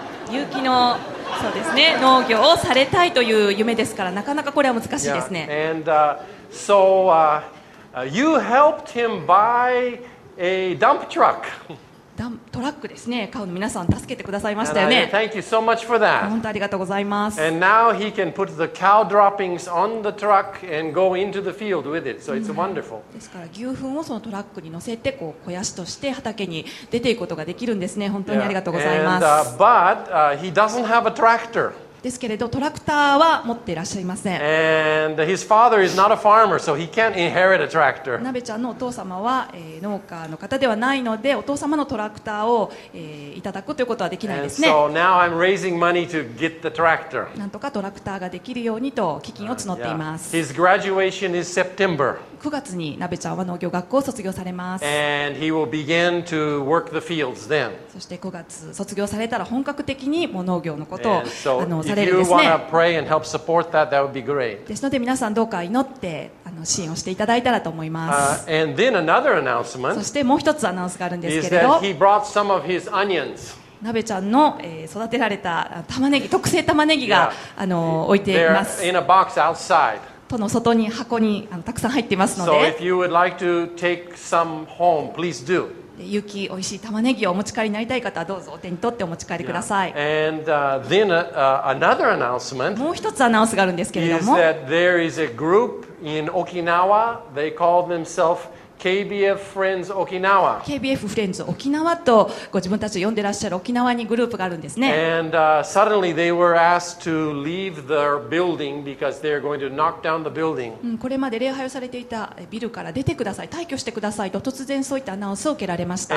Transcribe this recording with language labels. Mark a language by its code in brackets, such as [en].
[ja] 有機の、そうですね、農業をされたいという夢ですから、なかなかこれは難しいですね。 [en] Yeah. And, So, you helped him buy a dump truck. [ja] トラックですね。買うの皆さん助けてくださいましたよね。 [en] Thank you so much for that. [ja] 本当ありがとうございます。 [en] And now he can put the cow droppings on the truck and go into the field with it. So it's wonderful. [ja] ですから牛糞をそのトラックに乗せてこう肥やしとして畑に出ていくことができるんですね。本当にありがとうございます。 [en] And, but he doesn't have a tractor. [ja] ですけれど、トラクターは持っていらっしゃいません。 [en] And his father is not a farmer, so he can't inherit a tractor. [ja] ナベちゃんのお父様は、農家の方ではないので、お父様のトラクターを、いただくということはできないですね。 [en] And so now I'm raising money to get the tractor. [ja] なんとかトラクターができるようにと基金を募っています。 [en] His graduation is September. [ja] 9月にナベちゃんは農業学校を卒業されます。 [en] And he will begin to work the fields then. [ja] そして9月卒業されたら本格的にもう農業のことを、 [en] If you want to pray and help support that, that would be great. [ja] ですので皆さんどうか祈って支援をしていただいたらと思います。 [en] And then another announcement. [ja] そしてもう一つアナウンスがあるんですけれど。 [en] Is that he brought some of his onions. [ja] 鍋ちゃんの育てられた玉ねぎ、特製玉ねぎが置いています。 [en] They're in a box outside. [ja] との外に箱にたくさん入っていますので。 [en] So if you would like to take some home, please do. [ja] 有機おいしい玉ねぎをお持ち帰りになりたい方はどうぞお手に取ってお持ち帰りください。 [en] Yeah. And, then, another announcement, [ja] もう一つアナウンスがあるんですけれども、 [en] is that there is a group in Okinawa. They call themselves KBF Friends Okinawa. [ja] KBF Friends Okinawa とご自分たちを呼んでらっしゃる沖縄にグループがあるんですね。 [en] And, suddenly they were asked to leave their building because they're going to knock down the building. [ja] これまで礼拝をされていたビルから出てください、退去してくださいと突然そういったアナウンスを受けられました。